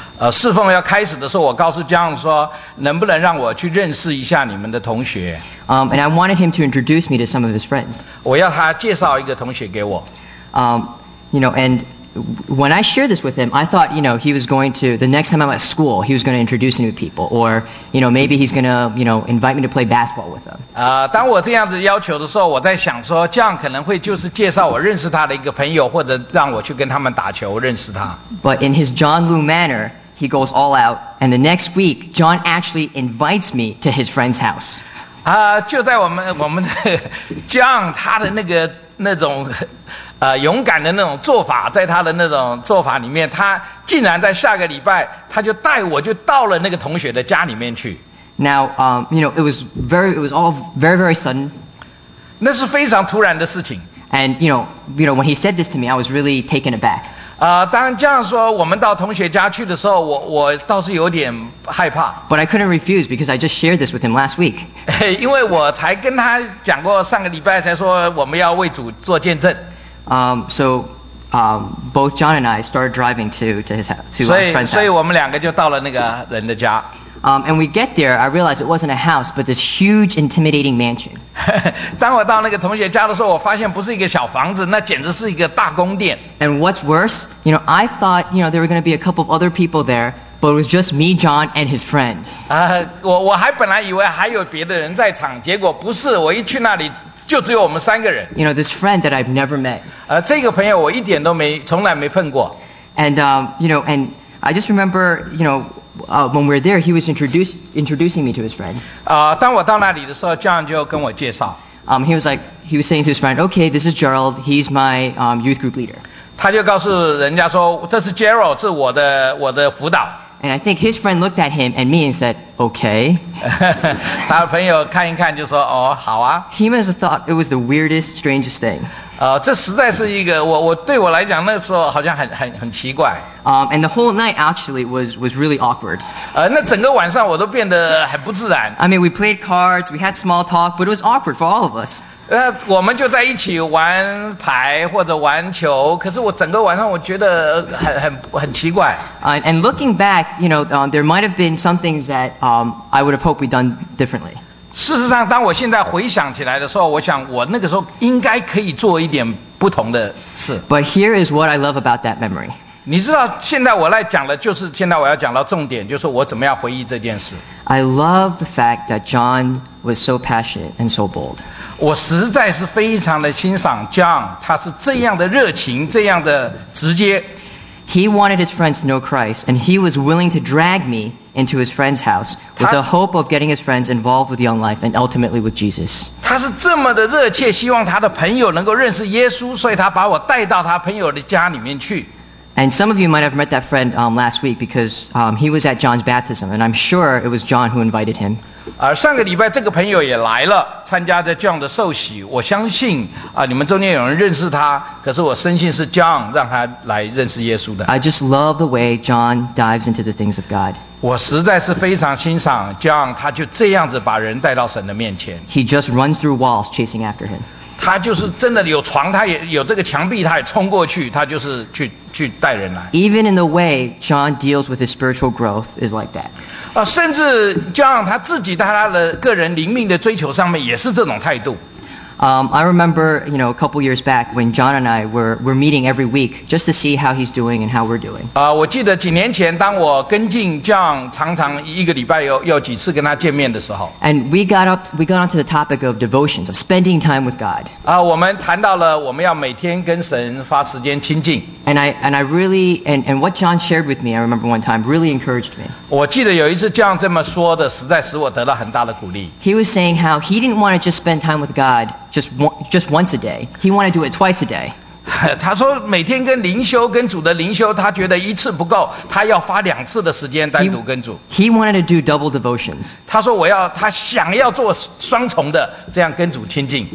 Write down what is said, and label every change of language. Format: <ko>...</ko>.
<zh>侍奉要开始的时候，我告诉江总说，能不能让我去认识一下你们的同学？</zh> <en>And I wanted him to introduce me to some of his friends.</en> <zh>我要他介绍一个同学给我。</zh> <en>You know, and when I shared this with him, I thought, you know, he was going to, the next time I'm at school, he was going to introduce new people, or, you know, maybe he's going to, you know, invite me to play basketball with him.</en> <zh>当我这样子要求的时候，我在想说，这样可能会就是介绍我认识他的一个朋友，或者让我去跟他们打球，认识他。</zh> <en>But in his John Liu manner, he goes all out, and the next week, John actually invites me to his friend's house.</en> <zh>就在我们的John他的那种勇敢的那种做法，在他的那种做法里面，他竟然在下个礼拜，他就带我就到了那个同学的家里面去。</zh> <en>Now, you know, it was all very, very sudden.</en> <zh>那是非常突然的事情。</zh> <en>And you know, when he said this to me, I was really taken aback.</en> <zh>当这样说，我们到同学家去的时候，我倒是有点害怕。</zh> <en>But I couldn't refuse because I just shared this with him last week.</en> <zh>因为我才跟他讲过，上个礼拜才说我们要为主做见证。</zh> <en>Both John and I started driving to his friend's house.</en> <zh>所以我们两个就到了那个人的家。</zh> <en>And we get there, I realized it wasn't a house, but this huge, intimidating mansion.</en> <zh>当我到那个同学家的时候，我发现不是一个小房子，那简直是一个大宫殿。</zh> <en>And what's worse, you know, I thought, you know, there were going to be a couple of other people there, but it was just me, John, and his friend.</en> <zh>我还本来以为还有别的人在场，结果不是，我一去那里。就只有我们三个人。</zh> <en>You know, this friend that I've never met.</en> <zh>这个朋友我一点都没，从来没碰过。</zh> <en>And, you know, and I just remember, you know, when we were there, he was introducing me to his friend.</en> <zh>当我到那里的时候 ,John 就跟我介绍。</zh> <en>He was saying to his friend, okay, this is Gerald, he's my youth group leader.</en> <zh>他就告诉人家说，这是 Gerald, 是我的辅导。</zh> <en>And I think his friend looked at him and me and said, okay.</en> <zh>他的朋友看一看就说，哦，好啊。</zh> <en>He must have thought it was the weirdest, strangest thing.</en> <zh>这实在是一个，我对我来讲那个时候好像很奇怪。</zh> <en>And the whole night actually was really awkward.</en> <zh>那整个晚上我都变得很不自然。</zh> <en>I mean, we played cards, we had small talk, but it was awkward for all of us.</en> <zh>我们就在一起玩牌或者玩球，可是我整个晚上我觉得很奇怪。</zh> <en>And looking back, you know, there might have been some things that I would have hoped we'd done differently.</en> <zh>事实上，当我现在回想起来的时候，我想我那个时候应该可以做一点不同的事。</zh> <en>But here is what I love about that memory.</en> <zh>你知道，现在我来讲的就是现在我要讲到重点，就是我怎么样回忆这件事。</zh> <en>I love the fact that John was so passionate and so bold.</en> <zh>我实在是非常的欣赏 John， 他是这样的热情，这样的直接。</zh> <en>He wanted his friends to know Christ, and he was willing to drag me into his friend's house with the hope of getting his friends involved with Young Life and ultimately with Jesus.</en> <zh>他是这么的热切，希望他的朋友能够认识耶稣，所以他把我带到他朋友的家里面去。</zh> <en>And some of you might have met that friend last week because he was at John's baptism, and I'm sure it was John who invited him.</en> <zh>上个礼拜这个朋友也来了，参加着 John 的受洗。我相信你们中间有人认识他，可是我深信是 John 让他来认识耶稣的。</zh> <en>I just love the way John dives into the things of God.</en> <zh>我实在是非常欣赏 John， 他就这样子把人带到神的面前。</zh> <en>He just runs through walls chasing after him.</en> <zh>他就是真的有床，他也有这个墙壁，他也冲过去，他就是去带人来。</zh> <en>Even in the way John deals with his spiritual growth is like that.</en> <zh>甚至 John 他自己在他的个人灵命的追求上面也是这种态度。</zh> <en>I remember, you know, a couple years back when John and I were meeting every week just to see how he's doing and how we're doing.</en> <zh>我记得几年前当我跟进 John 常常一个礼拜有几次跟他见面的时候。</zh> <en>And we got onto the topic of devotions, of spending time with God.</en> <zh>我们谈到了我们要每天跟神花时间亲近。</zh> <en>And what John shared with me, I remember one time, really encouraged me.</en> <zh>我记得有一次 John 这么说的，实在使我得到很大的鼓励。</zh> <en>He was saying how he didn't want to just spend time with God just once a day. He wanted to do it twice a day.</en> <zh>他说每天跟灵修，跟主的灵修，他觉得一次不够，他要花两次的时间单独跟主。</zh> <en>He wanted to do double devotions.</en> <zh>他说他想要做双重的，这样跟主亲近。</zh>